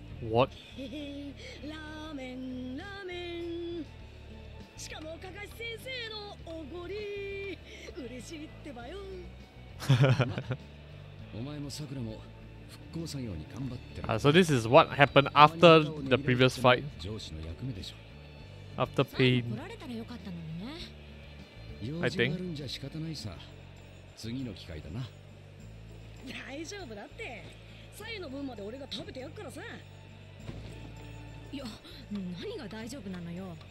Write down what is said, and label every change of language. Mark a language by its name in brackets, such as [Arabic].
[English] What? [Japanese] ラーメン、ラーメン。しかも、かかし先生のおごり。嬉しいってばよ。お前もさくらも復興作業に頑張ってる。 [English] So this is what happened after the previous fight. [Japanese] 上司の役目でしょ。 [English] After pain. [Japanese] 怒られたらよかったのにね。用事があるんじゃ仕方ないさ。次の機会だな。大丈夫だって。サイの分まで俺が食べてやっからさ。いや、何が大丈夫なのよ。